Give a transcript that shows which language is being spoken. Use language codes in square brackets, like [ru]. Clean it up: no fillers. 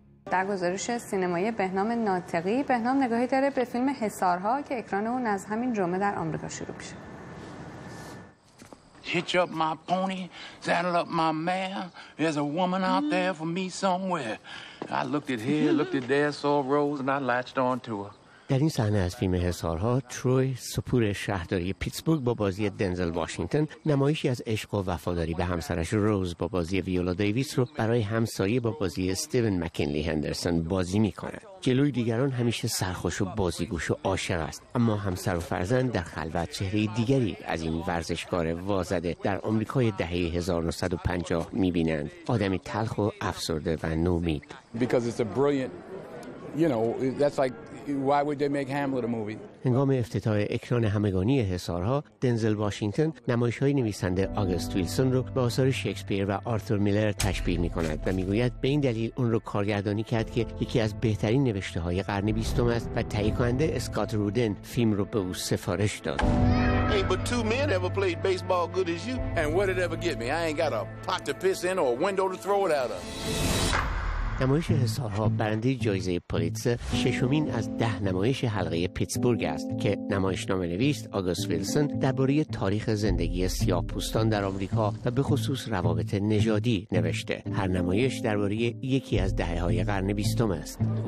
[fa] در گزارش سینمایی بهنام ناطقی. بهنام نگاهی داره به فیلم حصارها که اکران اون از همین جمعه در آمریکا شروع میشه. [en] Hitch up my pony, saddle up my mare. There's a woman out there for me somewhere. I looked at here, looked at there, saw Rose and I latched on to her. [fa] در این صحنه از فیلم حصارها، تروی، سپور شهرداری پیتسبورگ با بازی دنزل واشنگتن، نمایشی از عشق و وفاداری به همسرش روز با بازی ویولا دیویس رو برای همسایه با بازی استیون مکینلی هندرسون بازی می‌کند. جلوی دیگران همیشه سرخوش و بازیگوش و عاشق است، اما همسر و فرزند در خلوت چهره دیگری از این ورزشکار وازده در آمریکای دهه 1950 می‌بینند، آدمی تلخ و افسرده و نومید. [en] You know, that's like, why would they make Hamlet a movie? [fa] هنگام افتتاح اکران همگانی حصارها، دنزل واشنگتن نمایش‌های نویسنده آگست ویلسون رو به آثار شکسپیر و آرتور میلر تشبیه می‌کند و می‌گوید به این دلیل اون رو کارگردانی کرد که یکی از بهترین نوشته‌های قرن 20 است و تهیه کننده اسکات رودن فیلم رو به او سفارش داد. [en] Hey, but two men ever played baseball good as you? And what did ever get me? I ain't got a pot to piss in or a window to throw it out of. [fa] نمایش حصارها برنده جایزه پولیتزر، ششمین از 10 نمایش حلقه پیتسبورگ است که نمایشنامه نویس آگست ویلسون درباره تاریخ زندگی سیاه‌پوستان در آمریکا و به خصوص روابط نژادی نوشته. هر نمایش درباره یکی از دهه‌های قرن 20 است.